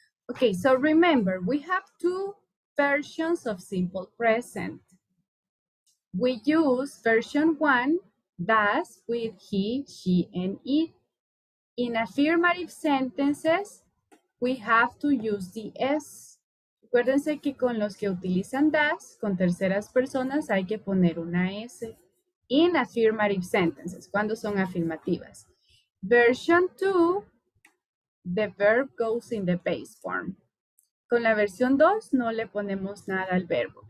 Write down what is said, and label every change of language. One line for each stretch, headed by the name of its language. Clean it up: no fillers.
English: Okay, so remember, we have two versions of simple present. We use version one, does, with he, she, and it. In affirmative sentences, we have to use the S.
Spanish: Acuérdense que con los que utilizan does, con terceras personas, hay que poner una S. In affirmative sentences, cuando son afirmativas.
English: Version two, the verb goes in the base form.
Spanish: Con la versión dos, no le ponemos nada al verbo.